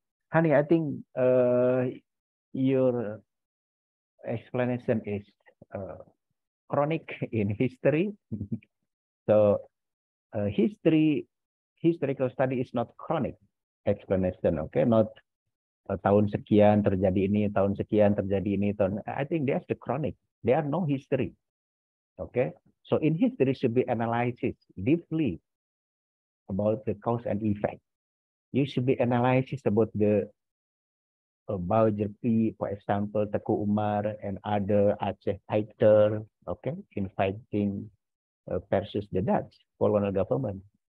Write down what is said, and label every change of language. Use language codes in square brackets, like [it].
[en] Hani, I think your explanation is chronic in history. So historical study is not chronic explanation, okay? [id] Not tahun sekian terjadi ini, tahun sekian terjadi ini, tahun. [en] I think that's the chronic. There are no history, okay? So in history should be analysis deeply about the cause and effect. You should be analysis about the Baljerpi, for example, Teku Umar and other Aceh fighter, okay, in fighting versus the Dutch colonial government.